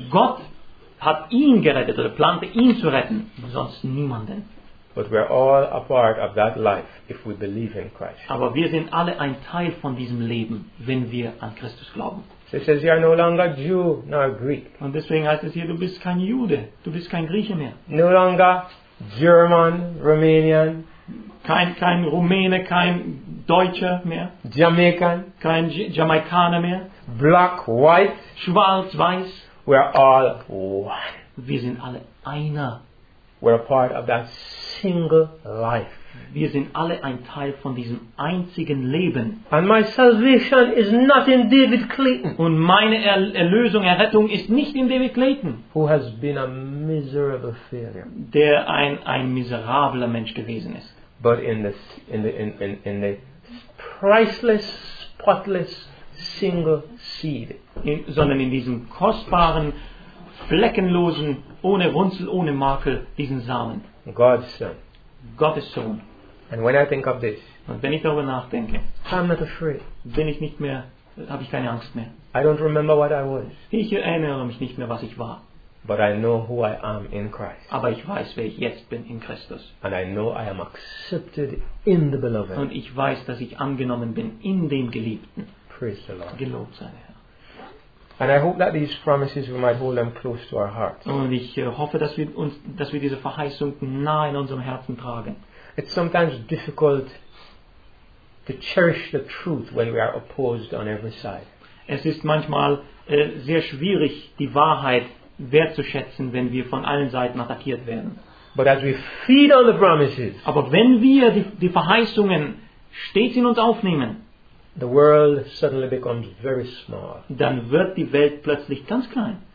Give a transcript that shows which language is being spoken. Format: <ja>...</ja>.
<de>Gott hat ihn gerettet oder plante ihn zu retten, sonst niemanden.</de> <en>But we are all a part of that life if we believe in Christ.</en> <de>Aber wir sind alle ein Teil von diesem Leben, wenn wir an Christus glauben.</de> <en>So it says, you are no longer Jew nor Greek.</en> <de>Und deswegen heißt es hier, du bist kein Jude, du bist kein Grieche mehr.</de> <en>No longer German, Romanian.</en> <de>Kein Rumäne, kein Deutscher mehr.</de> <en>Jamaican.</en> <de>Kein Jamaikaner mehr.</de> <en>Black, white.</en> <de>Schwarz, weiß.</de> <en>We are all one.</en> <de>Wir sind alle einer.</de> <en>We are part of that single life.</en> <de>Wir sind alle ein Teil von diesem einzigen Leben.</de> <en>And my salvation is not in David Clayton.</en> <de>Und meine Erlösung, Errettung ist nicht in David Clayton.</de> <en>Who has been a miserable failure.</en> <de>Der ein miserabler Mensch gewesen ist.</de> <en>But in the priceless, spotless, single seed.</en> <de>Sondern in diesem kostbaren, fleckenlosen, ohne Runzel, ohne Makel, diesen Samen.</de> <en>God's Son.</en> <de>Gottes Sohn.</de> <en>And when I think of this,</en> <de>und wenn ich darüber nachdenke,</de> <en>I'm not afraid.</en> <de>Bin ich nicht mehr, habe ich keine Angst mehr.</de> <en>I don't remember what I was.</en> <de>Ich erinnere mich nicht mehr, was ich war.</de> <en>But I know who I am in Christ.</en> <de>Aber ich weiß, wer ich jetzt bin in Christus.</de> <en>And I know I am accepted in the Beloved.</en> <de>Und ich weiß, dass ich angenommen bin in dem Geliebten.</de> <en>Praise the Lord.</en> <de>Gelobt sei der Herr.</de> <en>And I hope that these promises we might hold them close to our hearts.</en> <de>Und ich hoffe, dass wir diese Verheißung nah in unserem Herzen tragen.</de> <en>It's sometimes difficult to cherish the truth when we are opposed on every side.</en> <de>Es ist manchmal sehr schwierig, die Wahrheit wertzuschätzen, wenn wir von allen Seiten attackiert werden.</de> <en>But as we feed on the promises,</en> <de>aber wenn wir die Verheißungen stets in uns aufnehmen,</de> <en>the world suddenly becomes very small.</en> <de>Dann wird die Welt plötzlich ganz klein.</de>